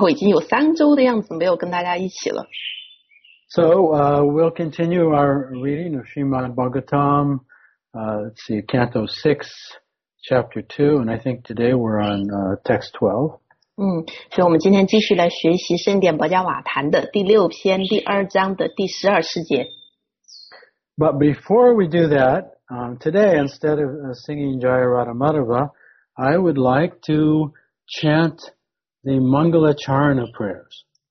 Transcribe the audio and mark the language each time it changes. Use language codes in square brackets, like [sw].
[zh] 然后我们回来继续跟大家上课，我感到特别开心。然后已经有3周的样子没有跟大家一起了。 [en] So we'll continue our reading of Srimad Bhagavatam. Let's see, Canto 6, Chapter 2, and I think today we're on Text 12. [zh] 所以我们今天继续来学习圣典保加瓦坛的第6篇第2章的第12世界。 [en] But before we do that, today instead of singing Jaya Radha Madhava, I would like to chant the Mangala Charana prayers.